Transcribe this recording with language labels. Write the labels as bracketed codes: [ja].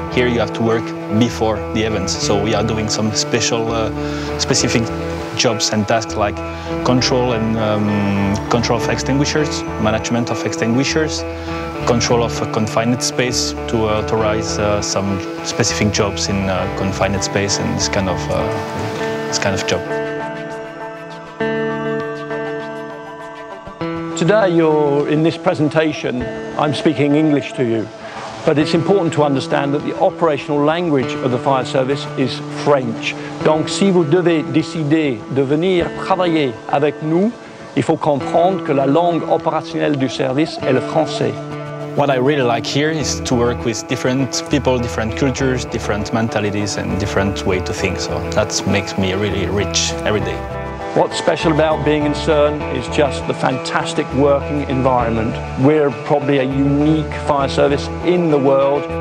[en] Here you have to work before the events, so we are doing some special specific jobs and tasks, like control and control of extinguishers, management of extinguishers, control of a confined space to authorize some specific jobs in a confined space, and this kind of job. Today you're in this presentation, I'm speaking English to you, but it's important to understand that the operational language of the fire service is French. [fr] Donc si vous devez décider de venir travailler avec nous, il faut comprendre que la langue opérationnelle du service est le français. [en] What I really like here is to work with different people, different cultures, different mentalities and different way to think, so that makes me really rich every day. What's special about being in CERN is just the fantastic working environment. We're probably a unique fire service in the world.